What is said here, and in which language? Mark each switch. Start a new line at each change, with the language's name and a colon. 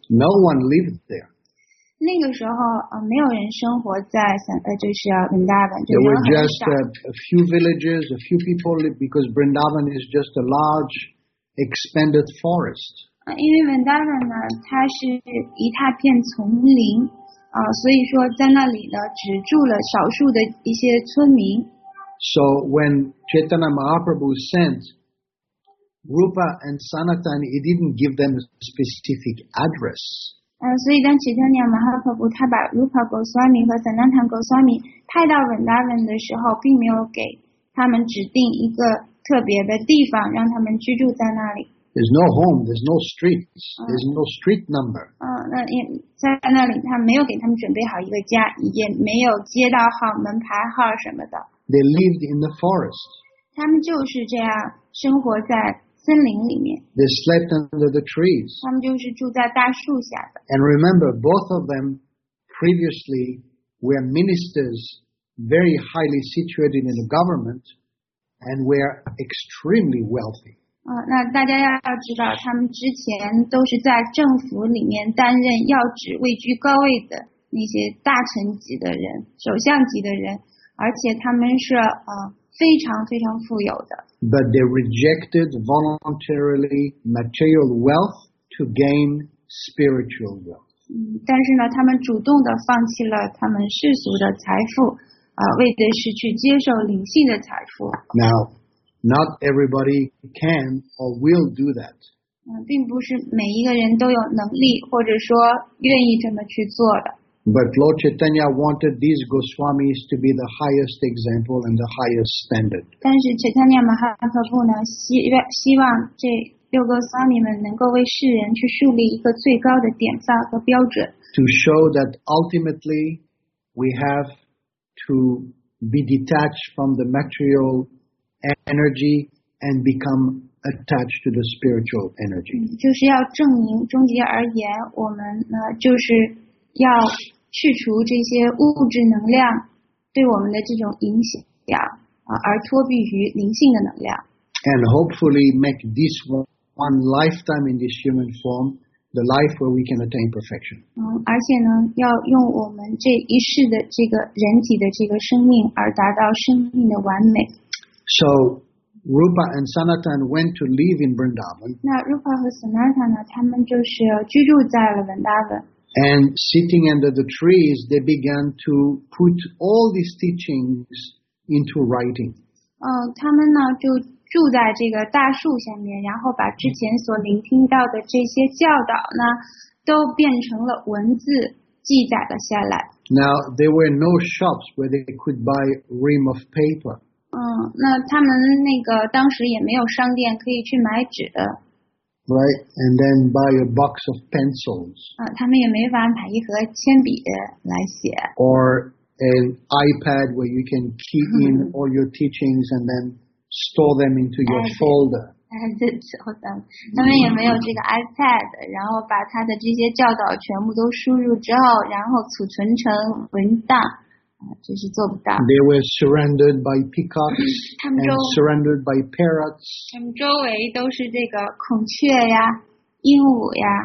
English: No one lived there.
Chinese: 那个时候没有人生活在就是 Vrindavan.
English: There were just a few villages, a few people lived because Vrindavan is just a large, expanded forest.
Chinese: 因为 Vrindavan 呢，它是一大片丛林。所以说在那里呢只住了少数的一些村民。
English: So when Chaitanya Mahaprabhu sent Rupa and Sanatan, he didn't give them a specific address.
Chinese: 所以当 Chaitanya Mahaprabhu 他把 Rupa Goswami 和 Sanatan Goswami 派到 Vrindavan 的时候，并没有给他们指定一个特别的地方让他们居住在那里。
English: There's no home, there's no streets, there's no street number.
Chinese: 在那里他没有给他们准备好一个家，也没有街道号、门牌号什么的。
English: They lived in the forest.
Chinese: 他们就是这样生活在森林里面。
English: They slept under the trees.
Chinese: 他们就是住在大树下的。
English: And remember, both of them previously were ministers, very highly situated in the government, and were extremely wealthy.
Chinese: 那大家要知道，他们之前都是在政府里面担任要职、位居高位的那些大臣级的人、首相级的人，而且他们是非常非常富有的。
English: But they rejected voluntarily material wealth to gain spiritual wealth.
Chinese: 但是呢，他们主动的放弃了他们世俗的财富，为的是去接受灵性的财富。
English: Now, not everybody can or will do that.
Chinese: 并不是每一个人都有能力或者说愿意这么去做的。
English: But Lord Chaitanya wanted these Goswamis to be the highest example and the highest standard.
Chinese: 但是 Chaitanya Mahaprabhu 呢，希望这六个 Goswami 们能够为世人去树立一个最高的典范和标准。
English: To show that ultimately we have to be detached from the material energy and become attached to the spiritual energy.
Chinese: 就是要证明，终极而言，我们呢就是。要去除这些物质能量对我们的这种影响，而脱避于灵性的能量。
English: And hopefully make this one lifetime in this human form the life where we can attain perfection.
Chinese: 而且呢，要用我们这一世的这个人体的这个生命而达到生命的完美。
English: So Rupa and Sanatan went to live in Vrindavan.
Chinese: 那 Rupa 和 Sanatan 呢，他们就是居住在了 Vrindavan。
English: And sitting under the trees, they began to put all these teachings into writing.
Chinese: 他们呢就住在这个大树下面，然后把之前所聆听到的这些教导呢，都变成了文字记载了下来。
English: Now there were no shops where they could buy ream of paper.
Chinese: 那他们那个当时也没有商店可以去买纸。
English: Right, and then buy a box of pencils.
Chinese: 他们也没法买一盒铅笔来写。
English: Or an iPad where you can key in all your teachings and then store them into your folder.
Chinese: 他们也没有这个 iPad， 然后把他的这些教导全部都输入之后，然后储存成文档。就是做不到。
English: They were surrounded by peacocks and surrounded by parrots.
Chinese: 他们周围都是这个孔雀呀，鹦鹉呀。